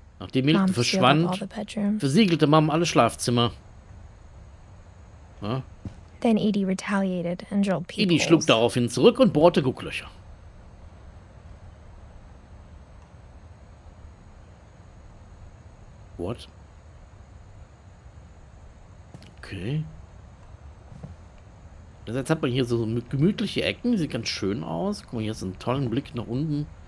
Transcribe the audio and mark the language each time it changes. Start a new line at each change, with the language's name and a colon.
German: nachdem Milton verschwand, versiegelte Mom alle Schlafzimmer.
English: Then Edie retaliated and drilled peep holes.
German: Edie schlug daraufhin zurück und bohrte Gucklöcher.
English: What?
German: Okay. Das jetzt hat man hier so gemütliche Ecken, sieht ganz schön aus. Guck mal, hier ist ein toller Blick nach unten.